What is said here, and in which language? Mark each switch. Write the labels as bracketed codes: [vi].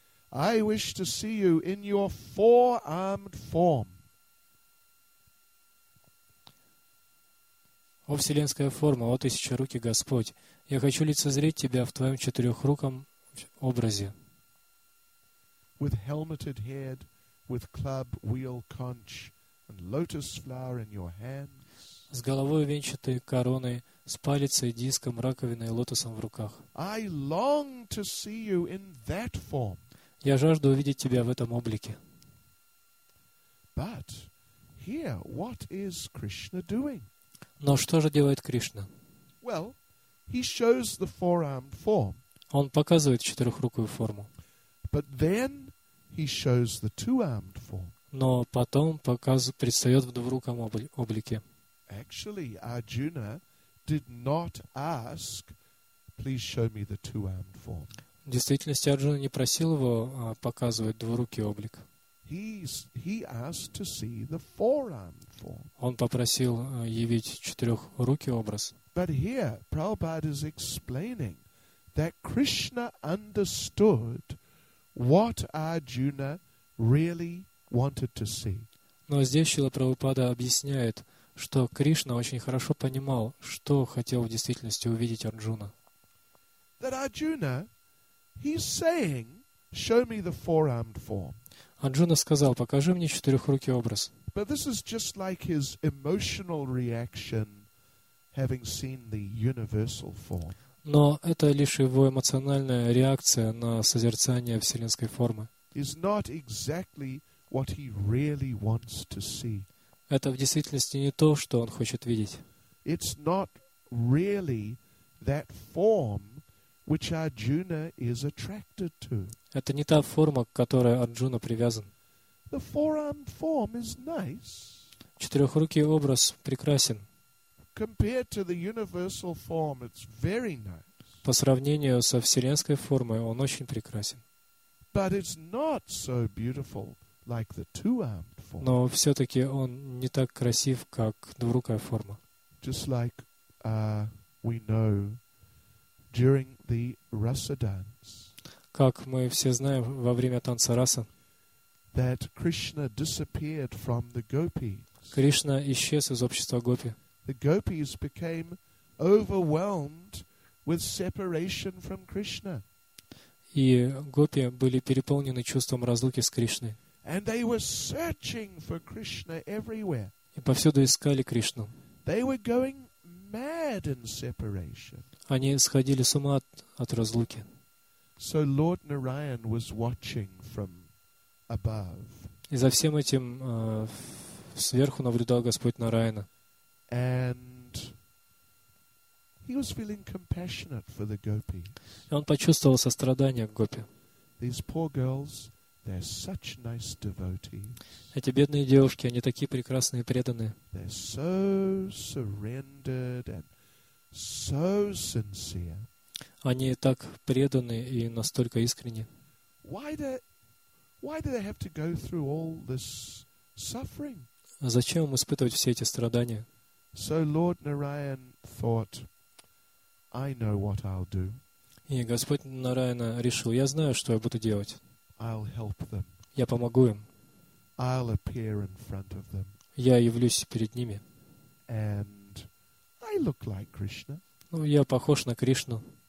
[en] I wish to see you in your four-armed form. [ru] О, вселенская форма, о, тысячеруки Господь, я хочу лицезреть тебя в твоем четырехруком образе. [en] With helmeted head, with club, wheel, conch, and lotus flower in your hand. [ru] С головой венчатой короной, с палицей, диском, раковиной и лотосом в руках. [en] I long to see you in that form. [ru] Я жажду увидеть тебя в этом облике. [en] But here, what is Krishna doing? [ru] Но что же делает Кришна? [en] Well, he shows the four-armed form. [ru] Он показывает четырехрукую форму. [en] But then he shows the two-armed form. [ru] Но потом предстает в двуруком облике. [en] Actually, Arjuna did not ask, please show me the two-armed form. [ru] В действительности Арджуна не просил его показывать двурукий облик. [en] He asked to see the four-armed form. [ru] Он попросил явить четырехрукий образ. [en] But here, Prabhupada is explaining that Krishna understood what Arjuna really wanted to see. [ru] Но здесь Шрила Прабхупада объясняет, что Кришна очень хорошо понимал, что хотел в действительности увидеть Арджуна. [en] That Arjuna, he's saying, show me the four-armed form. [ru] Арджуна сказал, покажи мне четырехрукий образ. [en] But this is just like his emotional reaction, having seen the universal form. [ru] Но это лишь его эмоциональная реакция на созерцание вселенской формы. [en] Is not exactly what he really wants to see. [ru] Это в действительности не то, что он хочет видеть. [en] It's not really that form which Arjuna is attracted to. [ru] Это не та форма, к которой Арджуна привязан. [en] The four-armed form is nice. [ru] Четырехрукий образ прекрасен. [en] Compared to the universal form, it's very nice. [ru] По сравнению со вселенской формой, он очень прекрасен. [en] But it's not so beautiful like the two-armed form. [ru] Но все-таки он не так красив, как двурукая форма. [en] Just like we know during the rasa dance. [ru] Как мы все знаем во время танца раса, [en] that Krishna disappeared from the gopis. [ru] Кришна исчез из общества гопи. [en] The gopis became overwhelmed with separation from Krishna. [ru] И гопи были переполнены чувством разлуки с Кришной. [en] And they were searching for Krishna everywhere. [ru] И повсюду искали Кришну. [en] They were going mad in separation. [ru] Они сходили с ума от разлуки. [en] So Lord Narayan was watching from above. [ru] И за всем этим сверху наблюдал Господь Нараяна. [en] And he was feeling compassionate for the gopis. [ru] И он почувствовал сострадание к гопи. [en] These poor girls, they're such nice devotees. [ru] Эти бедные девушки, они такие прекрасные и преданные. [en] They're so surrendered and so sincere. [ru] Они так преданы и настолько искренни. [en] Why do they have to go through all this suffering? [ru] Зачем им испытывать все эти страдания? [en] So Lord Narayan thought, I know what I'll do. [ru] И Господь Нараяна решил, я знаю, что я буду делать. [en] I'll help them. [ru] Я помогу им. [en] I'll appear in front of them. [ru] Я явлюсь перед ними. [en] And I look like Krishna. [ru] Ну, я похож на Кришну.